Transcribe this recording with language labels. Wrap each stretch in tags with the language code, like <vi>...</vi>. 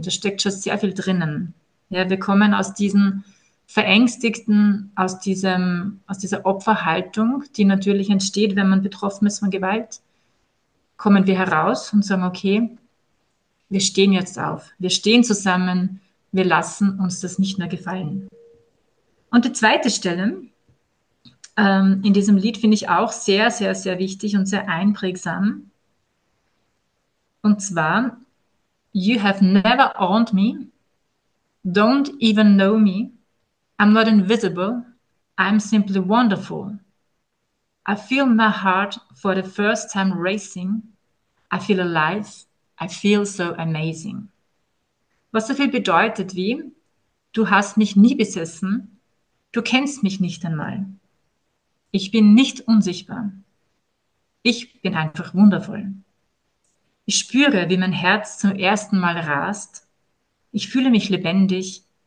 <de>Da steckt schon sehr viel drinnen. Ja, wir kommen aus diesen Verängstigten aus dieser Opferhaltung, die natürlich entsteht, wenn man betroffen ist von Gewalt, kommen wir heraus und sagen, okay, wir stehen jetzt auf, wir stehen zusammen, wir lassen uns das nicht mehr gefallen. Und die zweite Stelle in diesem Lied finde ich auch sehr, sehr, sehr wichtig und sehr einprägsam. Und zwar,</de> <en>You have never owned me, don't even know me. I'm not invisible, I'm simply wonderful. I feel my heart for the first time racing. I feel alive, I feel so amazing.</en> <de>Was so viel bedeutet wie, du hast mich nie besessen, du kennst mich nicht einmal. Ich bin nicht unsichtbar. Ich bin einfach wundervoll. Ich spüre, wie mein Herz zum ersten Mal rast. Ich fühle mich lebendig.</de>